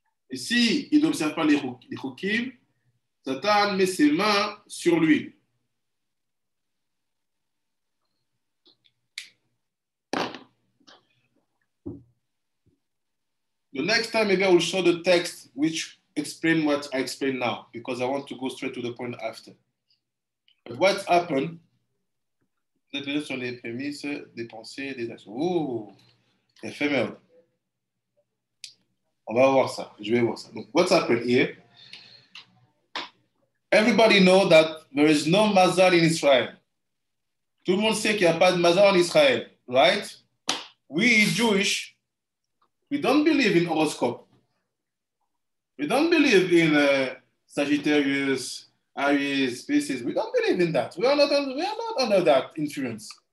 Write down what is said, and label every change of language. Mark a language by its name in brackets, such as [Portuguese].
[French] Et si il n'observe pas les chukim, Satan met ses mains sur lui. [English] The next time, maybe I will show the text which explain what I explain now, because I want to go straight to the point after. But what happened? [French] Sur les prémices, des pensées, des actions. Oh, éphémère. On va voir ça. Je vais voir ça. Donc, [English] what's happened here? Everybody know that there is no mazal in Israel. [French] Tout le monde sait qu'il n'y a pas de mazal en Israël, right? [English] We Jewish, we don't believe in horoscope. We don't believe in Sagittarius, Aries, Pisces. We don't believe in that. We are not under that influence.